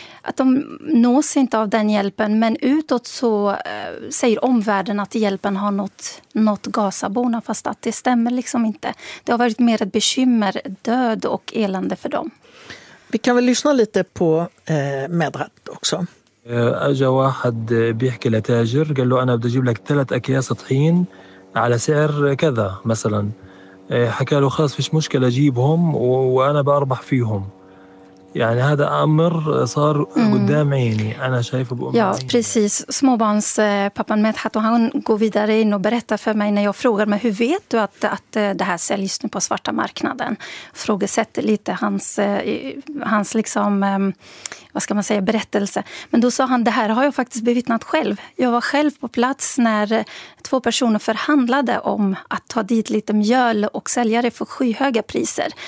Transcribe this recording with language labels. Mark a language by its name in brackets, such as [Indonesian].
[Swedish] Att de nås inte av den hjälpen, men utåt så säger omvärlden att hjälpen har nått Gazaborna, fast att det stämmer liksom inte. Det har varit mer ett bekymmer, död och elände för dem. Vi kan väl lyssna lite på Medhat också. [Arabic] أجا واحد بيحكي لتاجر قال له أنا بدي أجيب لك ثلاث أكياس طحين على سعر كذا مثلا حكى له خلاص فيش مشكلة أجيبهم وأنا بأربح فيهم يعني هذا أمر صار قدام عيني أنا شايفه بأمي. [Swedish] Ja, precis. Småbarns pappan Medhat, och han går vidare in och berättar för mig när jag frågar, men hur vet du att det här säljs nu på svarta marknaden? Frågesätter lite hans liksom, vad ska man säga, berättelse. Men då sa han, det här har jag faktiskt bevittnat själv. Jag var själv på plats när två personer förhandlade om att ta dit lite mjöl och sälja det för skyhöga priser.